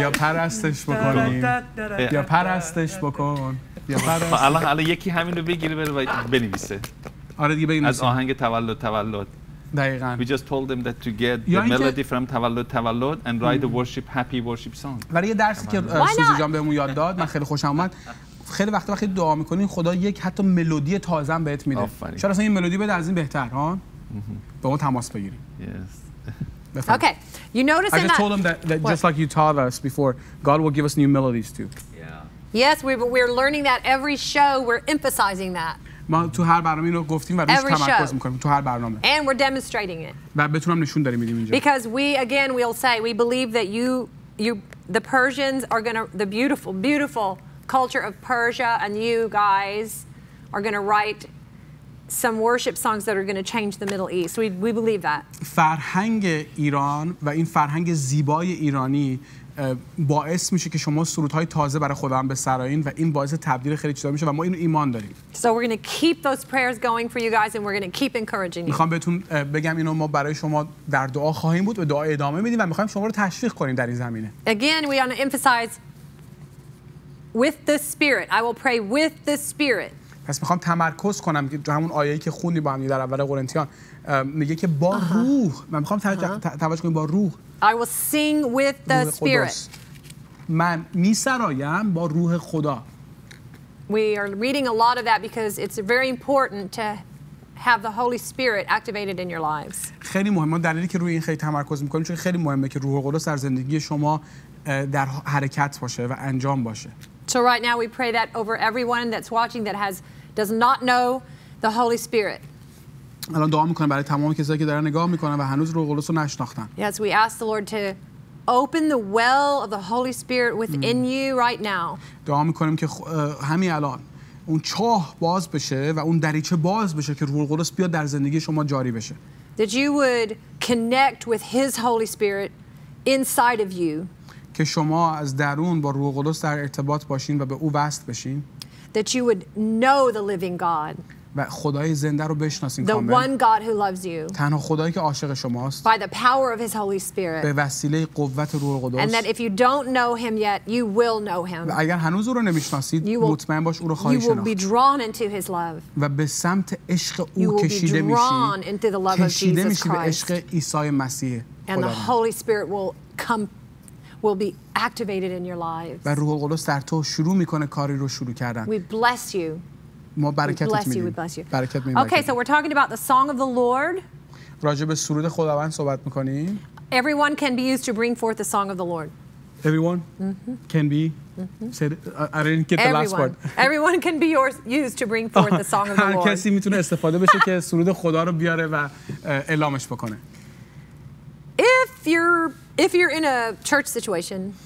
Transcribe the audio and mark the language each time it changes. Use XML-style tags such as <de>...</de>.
<fa>یا پرستش بکن. یا پرستش بکن. یا پرستش. الله الله یکی همین رو بگیره بره بنویسه. آره دیگه بنویسه. از آهنگ تولد تولد. دقیقاً.</fa> <en>We just told them that to get the melody from تولد تولد and write the worship happy worship song.</en> <fa>برای یه درسی که سوزی جان بهمون یاد داد، من خیلی خوشم اومد. خیلی وقت وقتی دعا می‌کنین خدا یک حتی ملودی تازه هم بهت میده. شاید اصلا این ملودی بده از این بهتر، ها؟ به اون تماس بگیرین.</fa> <en>Yes. Okay. You notice I just told them that just like you taught us before, God will give us new melodies too. Yeah. Yes, we're learning that every show we're emphasizing that.</en> <fa>ما تو هر برنامه اینو گفتیم و روش تمرکز میکنیم تو هر برنامه.</fa> <en>And we're demonstrating it.</en> <fa>و بتونم نشون داریم میدیم اینجا.</fa> <en>Because we again we'll say we believe that you the Persians are going to the beautiful culture of Persia and you guys are going to write some worship songs that are going to change the Middle East. We believe that.</en> <fa>فرهنگ ایران و این فرهنگ زیبای ایرانی باعث میشه که شما سرودهای تازه برای خداوند بسرایین و این باعث تبدیل خیلی چیزا میشه و ما اینو ایمان داریم.</fa> <en>So we're going to keep those prayers going for you guys and we're going to keep encouraging you.</en> <fa>میخوام بهتون بگم اینو ما برای شما در دعا خواهیم بود و دعا ادامه میدیم و میخوایم شما رو تشویق کنیم در این زمینه.</fa> <en>Again we want to emphasize with the spirit. I will pray with the spirit.</en> <fa>پس میخوام تمرکز کنم که همون آیه‌ای که خوندی با هم در اول قرنتیان میگه که با روح من میخوام توجه کنیم با روح</fa> <en>I will sing with the spirit.</en> <fa>من میسرایم با روح خدا.</fa> <en>We are reading a lot of that because it's very important to have the Holy Spirit activated in your lives.</en> <fa>خیلی مهمه دلیلی که روی این خیلی تمرکز میکنیم چون خیلی مهمه که روح قدس در زندگی شما در حرکت باشه و انجام باشه.</fa> <en>So right now we pray that over everyone that's watching that does not know the Holy Spirit.</en> <fa>الان دعا میکنم برای تمام کسایی که دارن نگاه میکنن و هنوز روح القدس رو نشناختن.</fa> <en>Yes, we ask the Lord to open the well of the Holy Spirit within you right now.</en> <fa>دعا میکنیم که همین الان اون چاه باز بشه و اون دریچه باز بشه که روح القدس بیاد در زندگی شما جاری بشه.</fa> <en>That you would connect with his Holy Spirit inside of you.</en> <fa>که شما از درون با روح القدس در ارتباط باشین و به او وصل بشین.</fa> <en>That you would know the living God.</en> <fa>و خدای زنده رو بشناسین کامل.</fa> <en>The one God who loves you.</en> <fa>تنها خدایی که عاشق شماست.</fa> <en>By the power of his Holy Spirit.</en> <fa>به وسیله قوت روح القدس.</fa> <en>And that if you don't know him yet, you will know him.</en> <fa>و اگر هنوز او رو نمیشناسید، مطمئن باش او رو خواهید شناخت.</fa> <en>You will be drawn into his love.</en> <fa>و به سمت عشق او کشیده میشی.</fa> <en>You will be drawn into the love of Jesus Christ.</en> <fa>کشیده میشی به عشق عیسی مسیح.</fa> <en>And the Holy Spirit will be activated in your lives.</en> <fa>و روح القدس در تو شروع میکنه کاری رو شروع کردن.</fa> <en>We bless you.</en> <fa>ما برکتت میدیم.</fa> <en>Okay, so we're talking about the song of the Lord.</en> <fa>راجع به سرود خداوند صحبت میکنیم.</fa> <en>Everyone can be used to bring forth the song of the Lord. Everyone mm-hmm. can be mm-hmm. said. I didn't get Everyone. The last part. Everyone can be used to bring forth the song of the Lord.</en> <fa>هر کسی میتونه استفاده بشه که سرود خدا رو بیاره و اعلامش بکنه.</fa> <en>If you're in a church situation.</en>